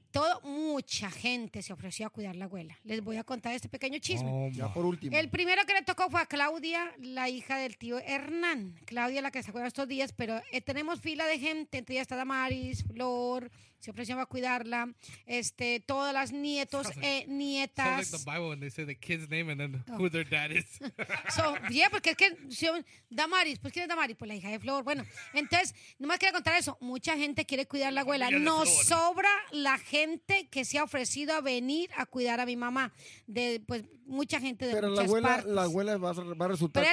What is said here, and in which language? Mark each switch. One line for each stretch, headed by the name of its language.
Spanish: Todo, mucha gente se ofreció a cuidar a la abuela. Les voy a contar este pequeño chisme. Oh, ya por último. El primero que le tocó fue a Claudia, la hija del tío Hernán. Claudia, la que se cuida estos días, pero tenemos fila de gente. Entre ellas está Damaris, Flor, se ofreció a cuidarla. Todas las nietos y nietas.
English: Sounds like the Bible when they say the kid's name and then who their dad is. So, yeah,
Spanish: porque es que si, Damaris, pues ¿quién es Damaris? Pues la hija de Flor. Bueno, entonces, nomás quería contar eso. Mucha gente quiere cuidar a la abuela. Nos sobra la gente que se ha ofrecido a venir a cuidar a mi mamá. De, pues, mucha gente de pero muchas abuela, partes. Pero la abuela va a resultar cuidándolas.